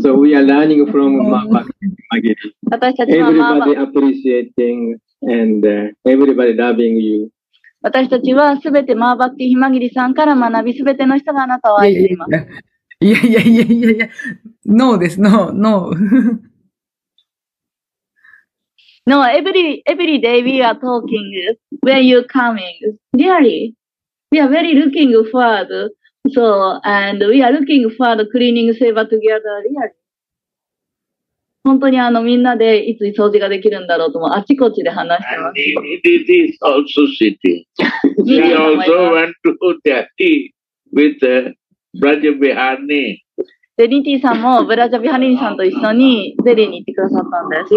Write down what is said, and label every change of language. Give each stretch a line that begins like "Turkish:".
English: So we are learning from Bhakti Himagiri. Everybody appreciating and everybody loving you.
Japanese: 私たちはすべてマーバティヒマギリさんから学び、すべての人があなたを愛しています。いやいやいやいやいや、ノーです、ノー、ノー。
English: ノー、every day we are talking, where you coming? Really? We are very looking forward, so, and we are looking forward cleaning Seva together, really?
Japanese: 本当にみんなでいつ掃除ができるんだろうともあちこちで話してます。
English: And it is also sitting. We also went to Delhi with Brajabihani.
Japanese: デリティさんもブラジャビハリンさんと一緒にデリーに行ってくださったんです。